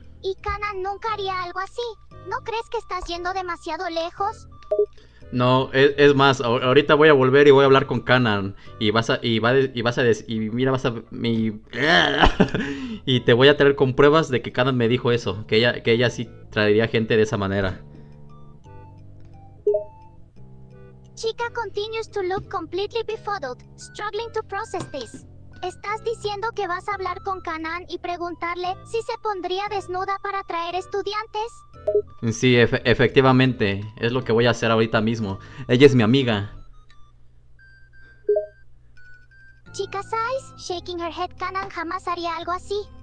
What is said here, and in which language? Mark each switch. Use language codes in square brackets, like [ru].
[es] Y Kanan nunca haría algo así. ¿No crees que estás yendo demasiado lejos? No, es más, ahorita voy a volver y voy a hablar con Kanan y te voy a traer con pruebas de que Kanan me dijo eso, que ella sí traería gente de esa manera. [en] Chica continues to look completely befuddled, struggling to process this. [es] ¿Estás diciendo que vas a hablar con Kanan y preguntarle si se pondría desnuda para traer estudiantes? Sí, efectivamente, es lo que voy a hacer ahorita mismo. Ella es mi amiga. [en] Chica sighs, shaking her head. [es] Kanan jamás haría algo así.